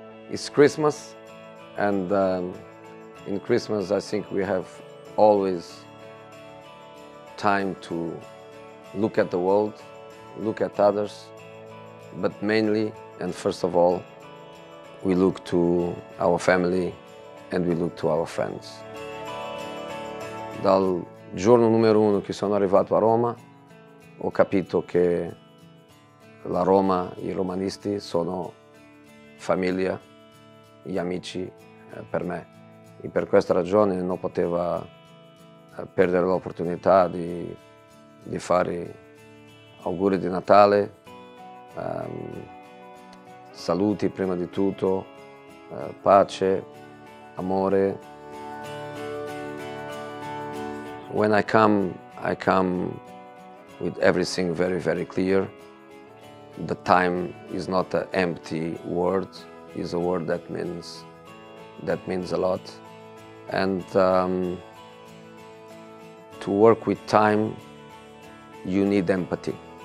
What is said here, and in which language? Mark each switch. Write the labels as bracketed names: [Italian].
[English] It's Christmas, and in Christmas I think we have always time to look at the world, look at others, but mainly and first of all, we look to our family and we look to our friends. [Italian] Dal giorno numero uno che sono arrivato a Roma, ho capito che la Roma, I romanisti sono famiglia, gli amici per me. E per questa ragione non potevo perdere l'opportunità di fare auguri di Natale, saluti prima di tutto, pace, amore. [English] When I come with everything very, very clear. The time is not an empty word, it's a word that means a lot. And to work with time, you need empathy.